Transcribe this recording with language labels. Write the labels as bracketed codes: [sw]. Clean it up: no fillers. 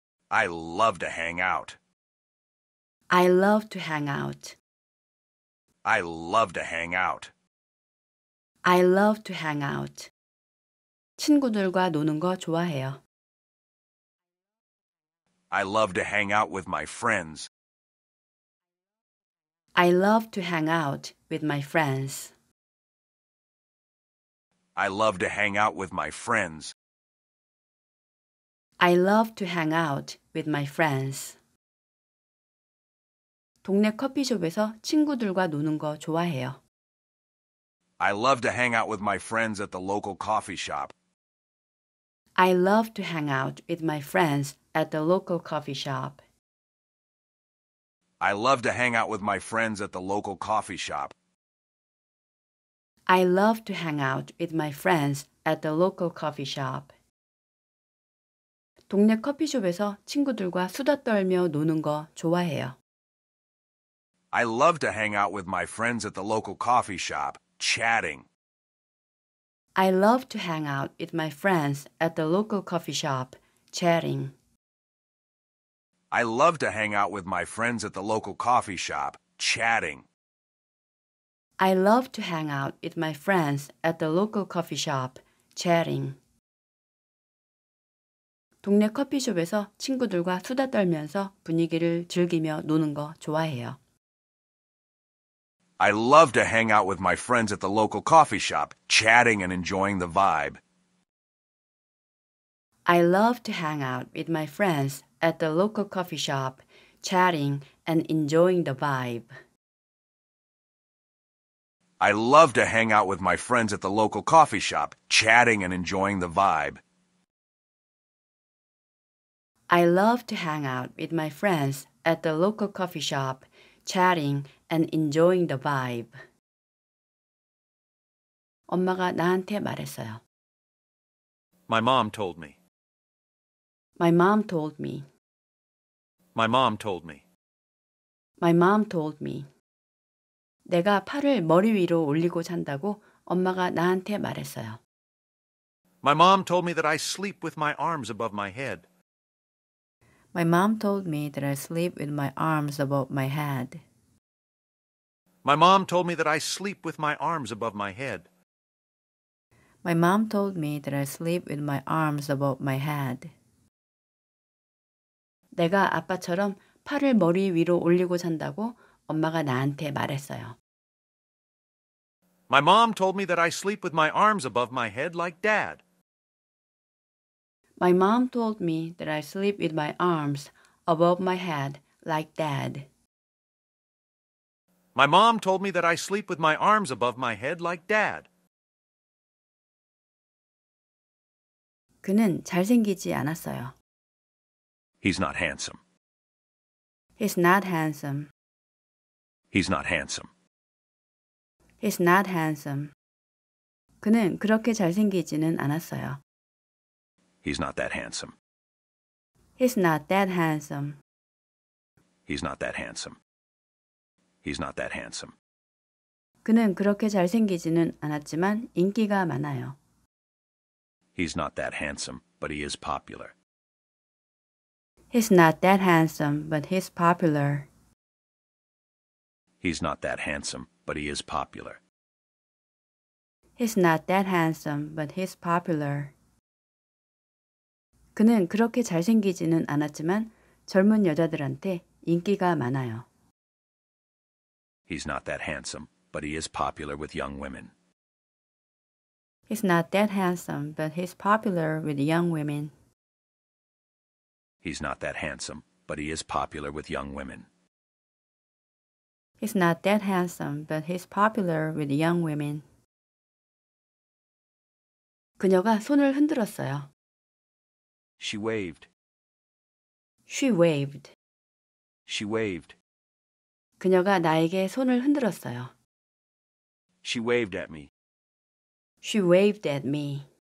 [en] I love to hang out. I love to hang out. I love to hang out. I love to hang out. [ko] 친구들과 노는 거 좋아해요. [en] I love to hang out with my friends. I love to hang out with my friends. I love to hang out with my friends. I love to hang out with my friends. [ko] 동네 커피숍에서 친구들과 노는 거 좋아해요. [en] I love to hang out with my friends at the local coffee shop. I love to hang out with my friends at the local coffee shop. I love to hang out with my friends at the local coffee shop. I love to hang out with my friends at the local coffee shop. [ko] 동네 커피숍에서 친구들과 수다 떨며 노는 거 좋아해요. [en] I love to hang out with my friends at the local coffee shop, chatting. I love to hang out with my friends at the local coffee shop, chatting. I love to hang out with my friends at the local coffee shop, chatting. I love to hang out with my friends at the local coffee shop, chatting. [ko] 동네 커피숍에서 친구들과 수다 떨면서 분위기를 즐기며 노는 거 좋아해요. [en] I love to hang out with my friends at the local coffee shop, chatting and enjoying the vibe. I love to hang out with my friends at the local coffee shop, chatting and enjoying the vibe. I love to hang out with my friends at the local coffee shop, chatting and enjoying the vibe. I love to hang out with my friends at the local coffee shop, chatting and enjoying the vibe. [ko] 엄마가 나한테 말했어요. [en] My mom told me. My mom told me. My mom told me. My mom told me. [ko] 내가 팔을 머리 위로 올리고 잔다고 엄마가 나한테 말했어요. [en] My mom told me that I sleep with my arms above my head. My mom told me that I sleep with my arms above my head. My mom told me that I sleep with my arms above my head. My mom told me that I sleep with my arms above my head. [ko] 내가 아빠처럼 팔을 머리 위로 올리고 잔다고 엄마가 나한테 말했어요. [en] My mom told me that I sleep with my arms above my head like dad. My mom told me that I sleep with my arms above my head like dad. My mom told me that I sleep with my arms above my head like dad. [ko] 그는 잘생기지 않았어요. [en] He's not handsome. He's not handsome. He's not handsome. He's not handsome. [ko] 그는 그렇게 잘생기지는 않았어요. [en] He's not that handsome. He's not that handsome. He's not that handsome. He's not that handsome. [ko] 그는 그렇게 잘생기지는 않았지만 인기가 많아요. [en] He's not that handsome, but he is popular. He's not that handsome, but he's popular. He's not that handsome, but he is popular. He's not that handsome, but he's popular. [ko] 그는 그렇게 잘생기지는 않았지만 젊은 여자들한테 인기가 많아요. [en] He's not that handsome, but he is popular with young women. He's not that handsome, but he's popular with young women. He's not that handsome, but he is popular with young women. He's not that handsome, but he's popular with young women. [ko] 그녀가 손을 흔들었어요. [en] She waved. She waved. She waved. [ko] 그녀가 나에게 손을 흔들었어요. [en] She waved at me. She waved at me.